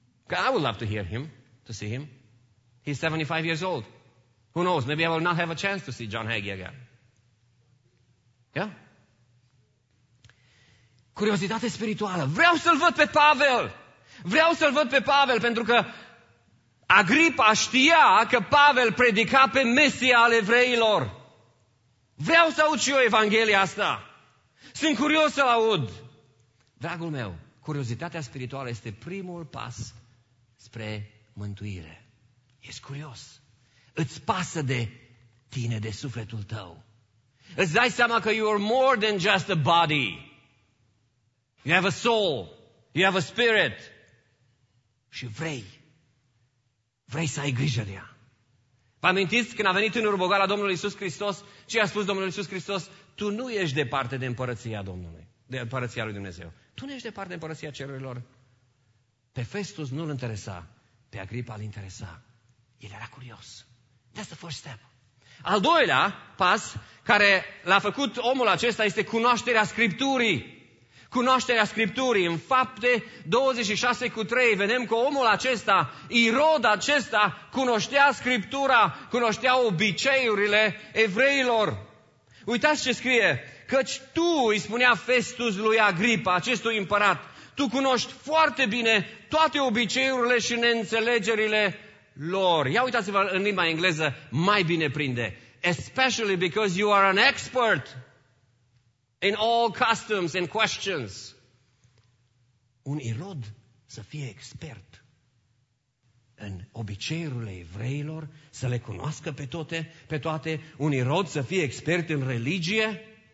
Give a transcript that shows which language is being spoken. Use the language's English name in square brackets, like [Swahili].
[English] I would love to hear him, to see him. He's 75 years old. Who knows, maybe I will not have a chance to see John Hagee again. Yeah? [Romanian] Curiozitate spirituală. Vreau să-l văd pe Pavel. Vreau să-l văd pe Pavel, pentru că Agripa știa că Pavel predica pe Mesia al evreilor. Vreau să aud și eu Evanghelia asta. Sunt curios să-l aud. Dragul meu, curiozitatea spirituală este primul pas spre mântuire. Ești curios. Îți pasă de tine, de sufletul tău. [English] Îți dai seama că you are more than just a body. You have a soul. You have a spirit. [Romanian] și vrei să ai grijă de ea. Vă amintiți când a venit în urbogoara la Domnul Iisus Hristos? Ce a spus Domnul Iisus Hristos? Tu nu ești departe de împărăția Domnului, de împărăția lui Dumnezeu. Tu nu ești departe de împărăția cerurilor. Pe Festus nu-l interesa, pe Agripa îl interesa. El era curios. That's the first step. Al doilea pas care l-a făcut omul acesta este cunoașterea Scripturii. Cunoașterea Scripturii. În Fapte 26:3 vedem că omul acesta, Irod acesta, cunoștea Scriptura, cunoștea obiceiurile evreilor. Uitați ce scrie, căci tu, îi spunea Festus lui Agripa, acestui împărat, tu cunoști foarte bine toate obiceiurile și neînțelegerile lor. Ia uitați-vă în limba engleză, mai bine prinde. [English] Especially because you are an expert in all customs and questions. [Romanian] Un Irod să fie expert în obiceiurile evreilor, să le cunoască pe toate, un Irod să fie expert în religie.